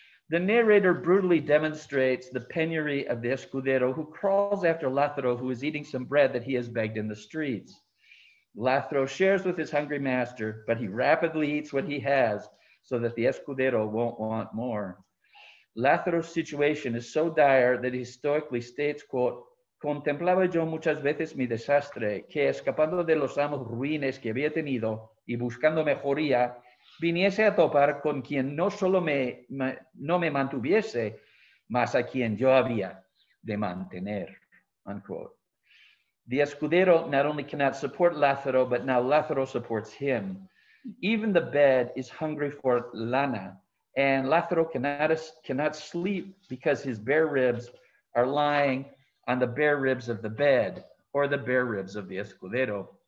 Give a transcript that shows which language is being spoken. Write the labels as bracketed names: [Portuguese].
[English] The narrator brutally demonstrates the penury of the escudero who crawls after Lathro, who is eating some bread that he has begged in the streets. Lathro shares with his hungry master, but he rapidly eats what he has so that the escudero won't want more. Lathro's situation is so dire that he stoically states, quote, [Spanish] "Contemplaba yo muchas veces mi desastre, que escapando de los amos ruines que había tenido y buscando mejoría, viniese a topar con quien no solo no me mantuviese, mas a quien yo había de mantener," unquote. [English] The escudero not only cannot support Lathro, but now Lathro supports him. Even the bed is hungry for lana, And Lathero cannot sleep because his bare ribs are lying on the bare ribs of the bed, or the bare ribs of the escudero.